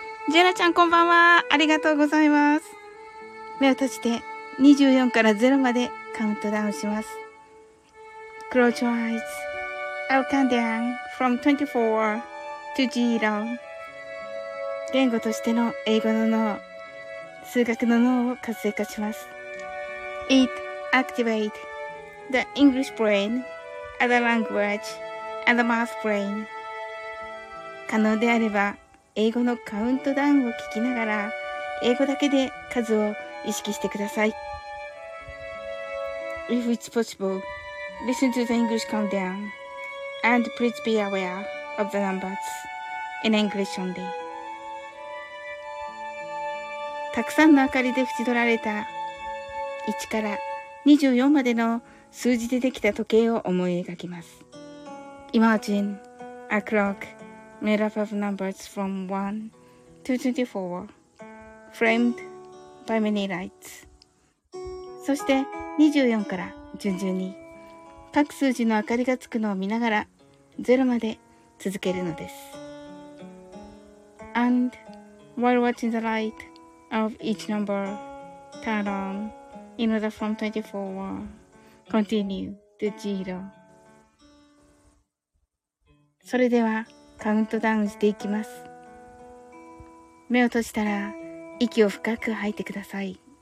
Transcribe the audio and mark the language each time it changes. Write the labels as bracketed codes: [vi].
[ja] ジェラちゃん、こんばんは。ありがとうございます。目を閉じて24から0までカウントダウンします。 [en] Close your eyes. I'll count down from 24 to 0. [ja] 言語としての英語の脳、数学の脳を活性化します。 [en] It activates the English brain and the language and the math brain. [ja] 可能であれば、英語のカウントダウンを聞きながら、英語だけで数を意識してください。 [en] If it's possible, listen to the English countdown and please be aware of the numbers in English only. [ja] たくさんの明かりで縁取られた1から24までの数字でできた時計を思い描きます。 [en] Imagine a clock made up of numbers from 1 to 24, framed by many lights. [ja] そして24から順々に各数字の明かりがつくのを見ながら0まで続けるのです。 [en] And while watching the light,of each number turn on in order from 24 continue to zero. [ja] それではカウントダウンしていきます。目を閉じたら息を深く吐いてください。